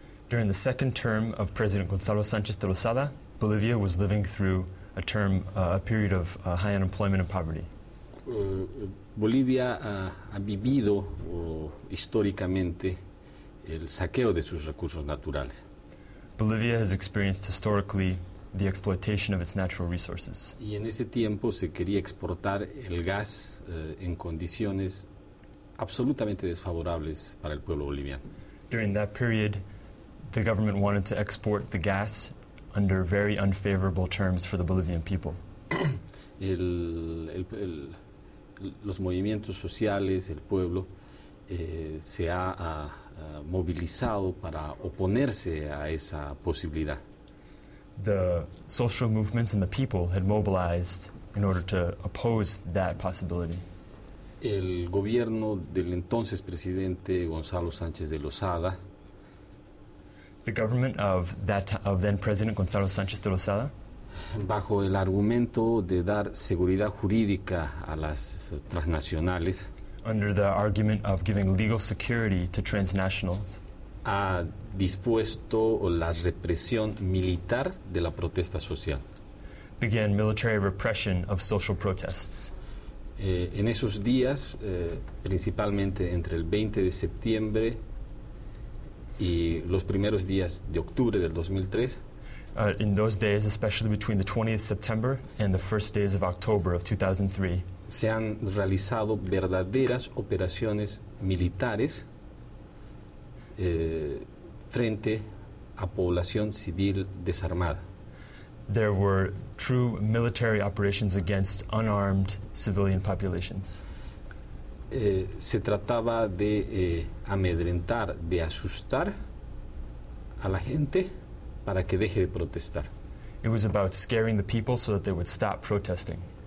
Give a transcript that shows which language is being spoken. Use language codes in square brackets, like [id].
[en] During the second term of President Gonzalo Sánchez de Lozada, Bolivia was living through a term, a period of high unemployment and poverty. [es] Bolivia ha vivido históricamente el saqueo de sus recursos naturales. [en] Bolivia has experienced historically the exploitation of its natural resources. [es] Y en ese tiempo se quería exportar el gas en condiciones absolutamente desfavorables para el pueblo boliviano. [en] During that period, the government wanted to export the gas under very unfavorable terms for the Bolivian people. [es] Los movimientos sociales, el pueblo, se ha movilizado para oponerse a esa posibilidad. [en] The social movements and the people had mobilized in order to oppose that possibility. [es] El gobierno del entonces presidente Gonzalo Sánchez de Lozada. [en] The government of that of then President Gonzalo Sánchez de Lozada. [es] Bajo el argumento de dar seguridad jurídica a las transnacionales. [en] Under the argument of giving legal security to transnationals. [es] Ha dispuesto la represión militar de la protesta social. [en] Began military repression of social protests. [es] En esos días, principalmente entre el 20 de septiembre y los primeros días de octubre del 2003, [en] In those days, especially between the 20th September and the first days of October of 2003, [es] se han realizado verdaderas operaciones militares frente a población civil desarmada. [en] There were true military operations against unarmed civilian populations. [es] Se trataba de amedrentar, de asustar a la gente para que deje de protestar. [en] It was about scaring the people so that they would stop protesting.